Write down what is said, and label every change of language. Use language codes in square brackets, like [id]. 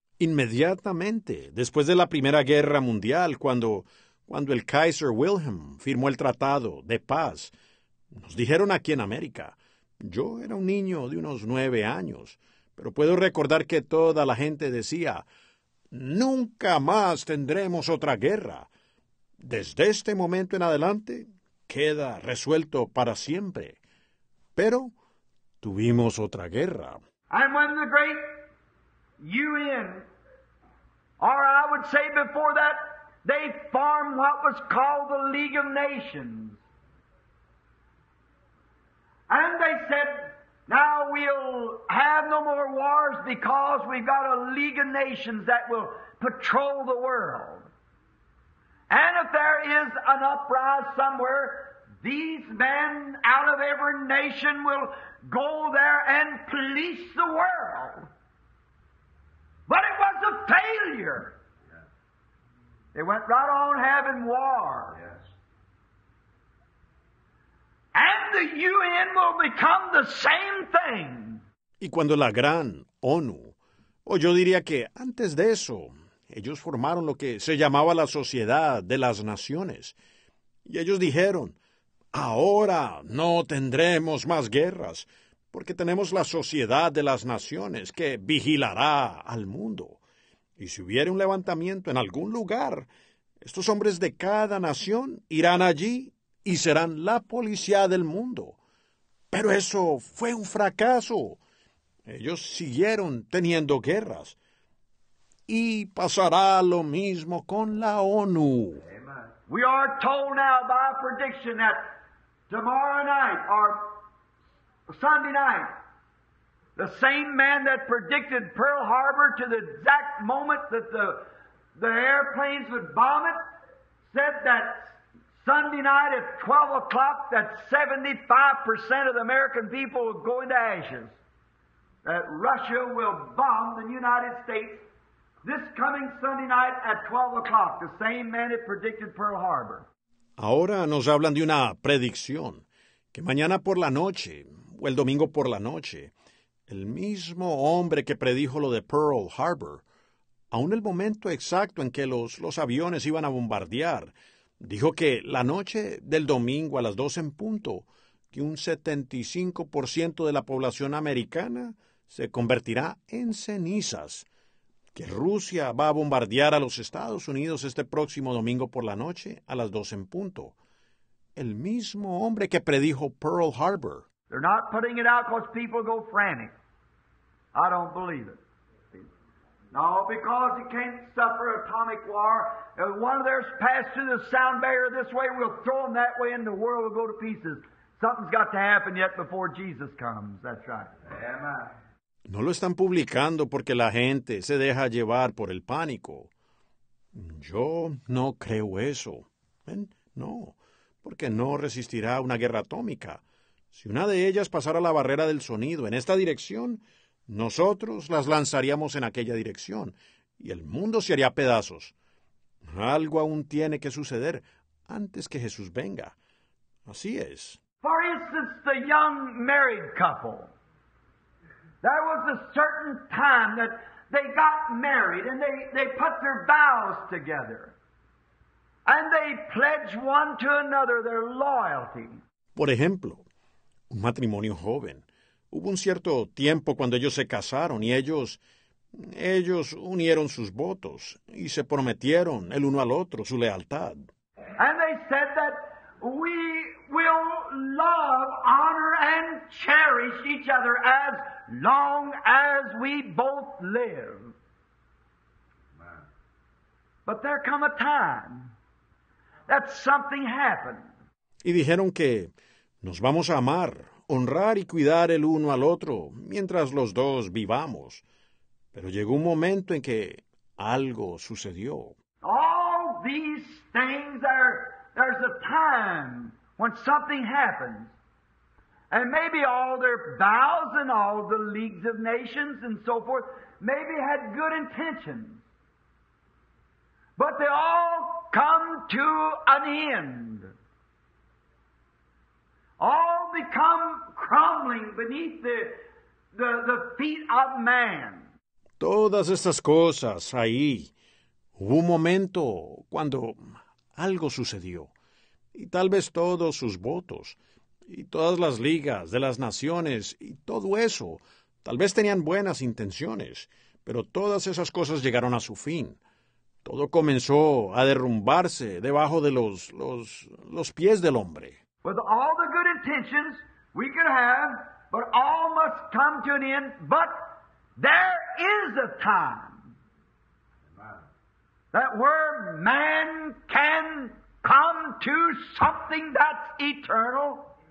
[es] Inmediatamente, después de la Primera Guerra Mundial, cuando el Kaiser Wilhelm firmó el Tratado de Paz, nos dijeron aquí en América, yo era un niño de unos 9 años, pero puedo recordar que toda la gente decía, nunca más tendremos otra guerra. Desde este momento en adelante, queda resuelto para siempre. Pero tuvimos otra guerra. [en] And when the great UN, or I would say before that, they formed what was called the League of Nations. And they said, now we'll have no more wars because we've got a League of Nations that will patrol the world. And if there is an uprise somewhere, these men out of every nation will go there and police the world. But it was a failure. Yes. They went right on having war. Yes. And the UN will become the same thing. [es] Y cuando la gran ONU, o yo diría que antes de eso, ellos formaron lo que se llamaba la Sociedad de las Naciones. Y ellos dijeron, ahora no tendremos más guerras, porque tenemos la Sociedad de las Naciones que vigilará al mundo. Y si hubiera un levantamiento en algún lugar, estos hombres de cada nación irán allí y serán la policía del mundo. Pero eso fue un fracaso. Ellos siguieron teniendo guerras. y pasará lo mismo con la ONU. [en] We are told now by prediction that tomorrow night or Sunday night, the same man that predicted Pearl Harbor to the exact moment that the airplanes would bomb it said that Sunday night at 12 o'clock that 75% of the American people will go into ashes. That Russia will bomb the United States this coming Sunday night at 12 o'clock. The same man that predicted Pearl Harbor. [es] Ahora nos hablan de una predicción que mañana por la noche o el domingo por la noche, el mismo hombre que predijo lo de Pearl Harbor, aun el momento exacto en que los aviones iban a bombardear, dijo que la noche del domingo a las 12 en punto, que un 75% de la población americana se convertirá en cenizas, que Rusia va a bombardear a los Estados Unidos este próximo domingo por la noche a las 12 en punto. El mismo hombre que predijo Pearl Harbor. [en] They're not putting it out because people go frantic. I don't believe it. No, because it can't suffer atomic war. If one of theirs passed through the sound barrier this way, we'll throw them that way and the world will go to pieces. Something's got to happen yet before Jesus comes. That's right. Amen. [es] No lo están publicando porque la gente se deja llevar por el pánico. Yo no creo eso. No, porque no resistirá una guerra atómica. Si una de ellas pasara la barrera del sonido en esta dirección, nosotros las lanzaríamos en aquella dirección y el mundo se haría a pedazos. Algo aún tiene que suceder antes que Jesús venga. Así es. [en] For instance, the young married couple. There was a certain time that they got married and they put their vows together. And they pledged one to another their loyalty. [es] Por ejemplo, un matrimonio joven. Hubo un cierto tiempo cuando ellos se casaron y ellos unieron sus votos y se prometieron el uno al otro su lealtad. [en] And they said that we will love, honor, and cherish each other as long as we both live. But there come a time that something happened. [es] Y dijeron que nos vamos a amar, honrar y cuidar el uno al otro mientras los dos vivamos. Pero llegó un momento en que algo sucedió. [en] All these things are, there's a time when something happens. And maybe all their vows and all the leagues of nations and so forth maybe had good intentions. But they all come to an end. All become crumbling beneath the feet of man. [es] Todas estas cosas ahí. Hubo un momento cuando algo sucedió. Y tal vez todos sus votos y todas las ligas de las naciones y todo eso, tal vez tenían buenas intenciones, pero todas esas cosas llegaron a su fin. Todo comenzó a derrumbarse debajo de los pies del hombre. [en] With all the good intentions we could have, but all must come to an end, but there is a time that where man can come to something that's eternal.